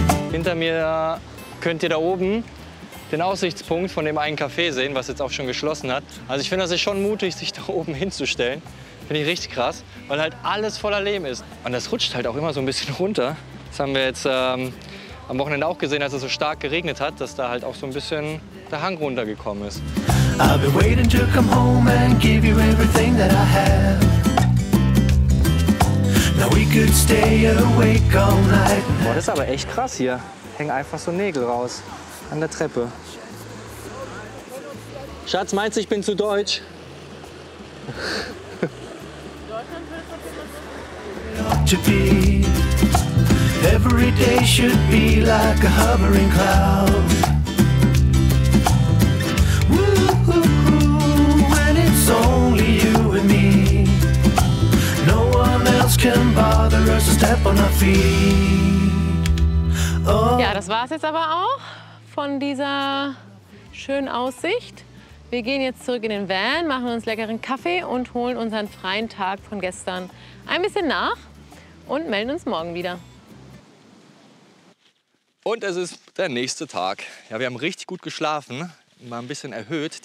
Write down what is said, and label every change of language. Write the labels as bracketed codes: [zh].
[de] Hinter mir könnt ihr da oben den Aussichtspunkt von dem einen Café sehen, was jetzt auch schon geschlossen hat. Also ich finde, das ist schon mutig, sich da oben hinzustellen. Finde ich richtig krass, weil halt alles voller Lehm ist. Und das rutscht halt auch immer so ein bisschen runter. Das haben wir jetzt am Wochenende auch gesehen, als es so stark geregnet hat, dass da halt auch so ein bisschen der Hang runtergekommen ist. [en] I've been waiting to come home and give you everything that I have. Now we could stay awake all night. [de] Boah, das ist aber echt krass hier. Hängen einfach so Nägel raus an der Treppe. Schatz, meinst du, ich bin zu deutsch? [en] Every day should be like a hovering cloud. When it's only you and me, no one else can bother us to step on our feet. Oh. [de] Ja, das war's jetzt aber auch von dieser schönen Aussicht. Wir gehen jetzt zurück in den Van, machen uns leckeren Kaffee und holen unseren freien Tag von gestern ein bisschen nach und melden uns morgen wieder. Und es ist der nächste Tag. Ja, wir haben richtig gut geschlafen, mal ein bisschen erhöht.